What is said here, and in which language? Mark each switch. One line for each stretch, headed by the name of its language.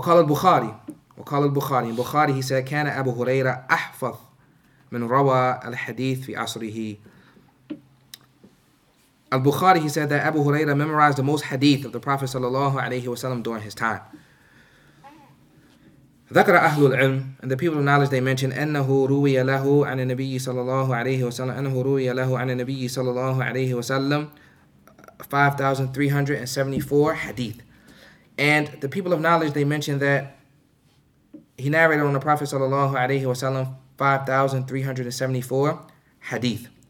Arabic: Wa qala al-Bukhari.
English: In Bukhari he said,
Arabic: kana Abu Huraira ahfaz min rawa al-hadith fi asrihi.
English: Al-Bukhari, he said that Abu Huraira memorized the most hadith of the Prophet sallallahu alayhi wa sallam during his time.
Arabic: ذكر أهل العلم,
English: and the people of knowledge, they mention
Arabic: أنه روي له عن النبي صلى الله عليه وسلم, أنه روي له عن النبي صلى الله عليه وسلم 5,374 حديث.
English: And the people of knowledge, they mention that he narrated on the Prophet صلى الله عليه وسلم 5,374 حديث.